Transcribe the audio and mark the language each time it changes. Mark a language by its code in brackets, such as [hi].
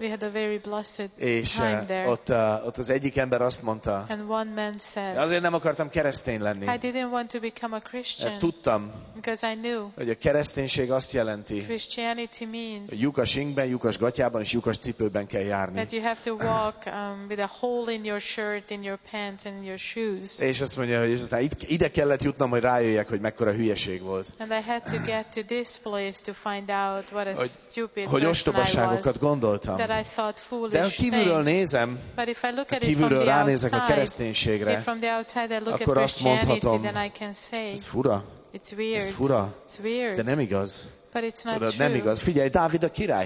[en] We had a very blessed time [hu] és [en] there. [hu] Ott az egyik ember azt mondta. [en] And one man said. [hu] Azért nem akartam keresztény lenni. [en] I didn't want to become a Christian. [hu] Tudtam. [en] Because I knew. [hu] Hogy a kereszténység azt jelenti. [en] Christianity means [hu] a lyukas ingben, lyukas gatyában és lyukas cipőben kell járni. [en] That you have to walk with a hole in your shirt, in your pants and in your shoes. [hu] És azt mondja, hogy aztán ide kellett jutnom, hogy rájöjjek, hogy mekkora hülyeség volt. [en] And I had to get to this place to find out what a stupid [hu] hogy ostobaságokat gondoltam. [en] That I thought foolish [hu] de ha kívülről [en] things. [hu] Nézem, [en] but if I look at [hu] kívülről [en] it from [hu] ránézek [en] outside, [hu] a kereszténységre, [en] if from the outside I look [hu] akkor [en] at [hu] azt mondhatom, [en] then I can say, [hu] ez fura. [en] It's weird. [hu] Ez fura. [en] It's weird. [hu] De nem igaz. [en] But it's not [hu] tudod, [en] true. [hu] Nem igaz. Figyelj, Dávid a király.